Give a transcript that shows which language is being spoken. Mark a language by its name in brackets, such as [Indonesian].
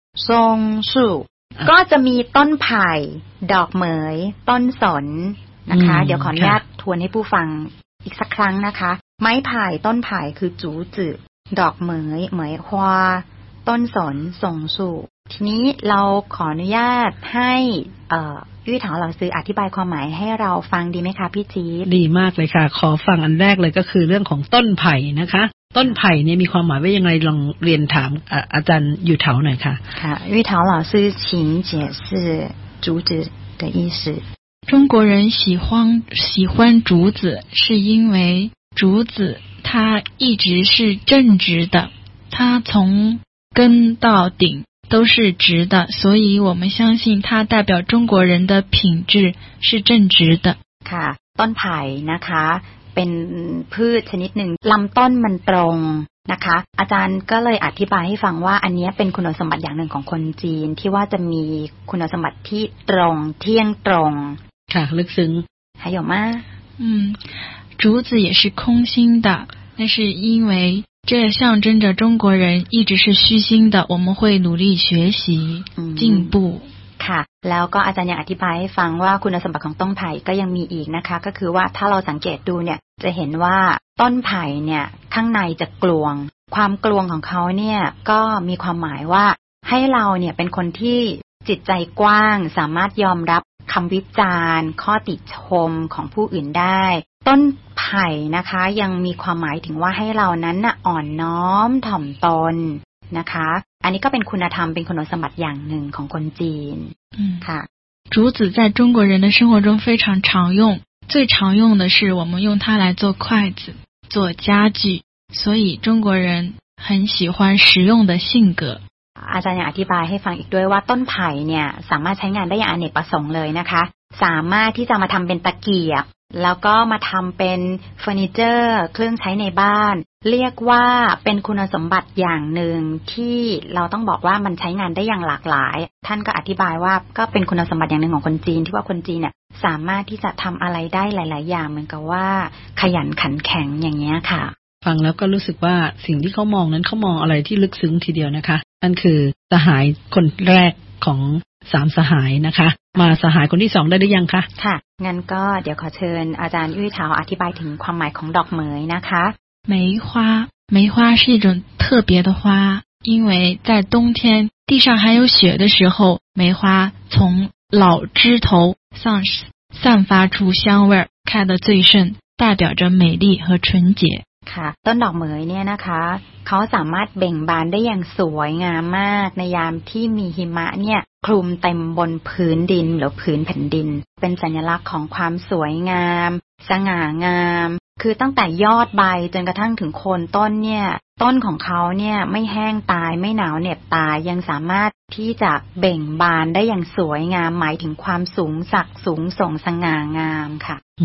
[Thai] ซงสุก็จะมีต้นไผ่ดอกเหมยต้นสนนะคะเดี๋ยวขออนุญาตทวนให้ผู้ฟังอีกสักครั้งนะคะไม้ไผ่ต้นไผ่คือจูจือดอกเหมยเหมยฮวาต้นสนซงสุทีนี้เราขออนุญาตให้วิถาเราซื้ออธิบายความหมายให้เราฟังดีไหมคะพี่จี๊ด ดีมากเลยค่ะขอฟังอันแรกเลยก็คือเรื่องของต้นไผ่นะคะต้นไผ่เนี่ยมีความหมายว่ายังไงลองเรียนถามอาจารย์อยู่เถาหน่อยค่ะ ค่ะวิถาเราซื้อ [Chinese] 请解释竹子的意思中国人喜欢竹子是因为竹子它一直是正直的它从根到顶都是直的所以我们相信它代表中国人的品质是正直的 [Thai] ค่ะต้นไผ่นะคะเป็นพืชชนิดหนึ่งลำต้นมันตรงนะคะอาจารย์ก็เลยอธิบายให้ฟังว่าอันนี้เป็นคุณสมบัติอย่างหนึ่งของคนจีนที่ว่าจะมีคุณสมบัติที่ตรงเที่ยงตรง ค่ะลึกซึ้ง หายออกมา [Chinese] 竹子也是空心的那是因为这象征着中国人一直是虚心的我们会努力学习进步 [Thai] ค่ะแล้วก็อาจารย์ยังอธิบายให้ฟังว่าคุณสมบัติของต้นไผ่ก็ยังมีอีกนะคะก็คือว่าถ้าเราสังเกตดูเนี่ยจะเห็นว่าต้นไผ่เนี่ยข้างในจะกลวงความกลวงของเขาเนี่ยก็มีความหมายว่าให้เราเนี่ยเป็นคนที่ จิตใจกว้างสามารถยอมรับคำวิจารณ์ข้อติชมของผู้อื่นได้ต้นไผ่นะคะยังมีความหมายถึงว่าให้เรานั้นอ่อนน้อมถ่อมตนนะคะอันนี้ก็เป็นคุณธรรมเป็นคุณสมบัติอย่างหนึ่งของคนจีนค่ะ [Chinese] 竹子在中国人的生活中非常常用最常用的是我们用它来做筷子做家具所以中国人很喜欢实用的性格 [Thai] อาจารย์อธิบายให้ฟังอีกด้วยว่าต้นไผ่เนี่ยสามารถใช้งานได้อย่างอเนกประสงค์เลยนะคะ สามารถที่จะมาทำเป็นตะเกียบแล้วก็มาทำเป็นเฟอร์นิเจอร์เครื่องใช้ในบ้านเรียกว่าเป็นคุณสมบัติอย่างหนึ่งที่เราต้องบอกว่ามันใช้งานได้อย่างหลากหลายท่านก็อธิบายว่าก็เป็นคุณสมบัติอย่างหนึ่งของคนจีนที่ว่าคนจีนเนี่ยสามารถที่จะทำอะไรได้หลายๆอย่างเหมือนกับว่าขยันขันแข็งอย่างเงี้ยค่ะ ฟังแล้วก็รู้สึกว่าสิ่งที่เขามองนั้นเขามองอะไรที่ลึกซึ้งทีเดียวนะคะนั่นคือสหายคนแรกของ3สหายนะคะมาสหายคนที่2ได้หรือยังคะ ค่ะงั้นก็เดี๋ยวขอเชิญอาจารย์ยุ้ยเถาอธิบายถึงความหมายของดอกเหมยนะคะ [Chinese] 梅花梅花是一种特别的花因为在冬天地上还有雪的时候梅花从老枝头散发出香味开得最盛代表着美丽和纯洁 [Thai] ค่ะต้นดอกเหมยเนี่ยนะคะเขาสามารถเบ่งบานได้อย่างสวยงามมากในยามที่มีหิมะเนี่ยคลุมเต็มบนพื้นดินหรือพื้นแผ่นดินเป็นสัญลักษณ์ของความสวยงามสง่างามคือตั้งแต่ยอดใบจนกระทั่งถึงโคนต้นเนี่ยต้นของเขาเนี่ยไม่แห้งตายไม่หนาวเหน็บตายยังสามารถที่จะเบ่งบานได้อย่างสวยงามหมายถึงความสูงศักดิ์สูงส่งสง่างามค่ะ